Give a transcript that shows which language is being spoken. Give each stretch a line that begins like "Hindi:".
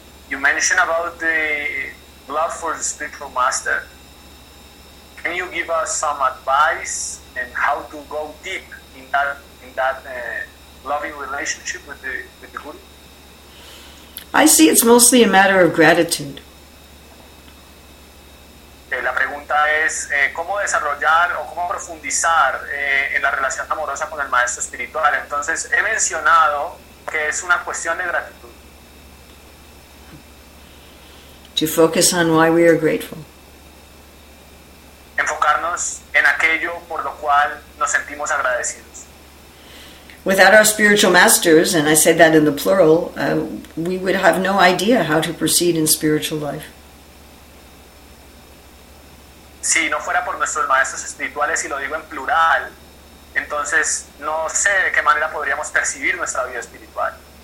English: You mentioned about the love for the spiritual master. Can you give us some advice and how to go deep in that loving relationship with the guru? I see it's mostly a matter of gratitude.
Spanish: La pregunta es cómo desarrollar o cómo profundizar en la relación amorosa con el maestro espiritual. Entonces he mencionado que es una cuestión de gratitud.
English: To focus on why we are grateful.
Spanish: Enfocarnos en aquello por lo cual nos sentimos agradecidos.
English: Without our spiritual masters, and I say that in the plural, we would have no idea how to proceed in spiritual life.
Spanish: Si no fuera por nuestros maestros espirituales, y lo digo en plural, entonces no sé de qué manera podríamos percibir nuestra vida espiritual.